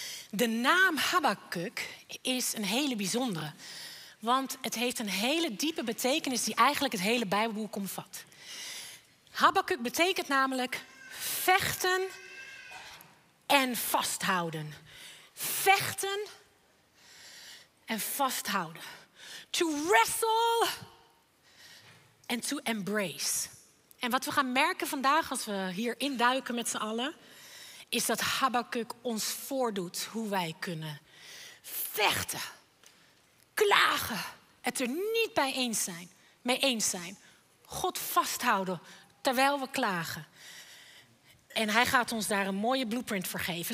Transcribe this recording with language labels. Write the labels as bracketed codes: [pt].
[nl] De naam Habakuk is een hele bijzondere. Want het heeft een hele diepe betekenis die eigenlijk het hele Bijbelboek omvat. Habakuk betekent namelijk vechten en vasthouden. Vechten en vasthouden. [en] To wrestle and to embrace. [nl] En wat we gaan merken vandaag als we hier induiken met z'n allen, is dat Habakuk ons voordoet hoe wij kunnen vechten, klagen, het er niet bij eens zijn, mee eens zijn. God vasthouden terwijl we klagen. En hij gaat ons daar een mooie blueprint voor geven.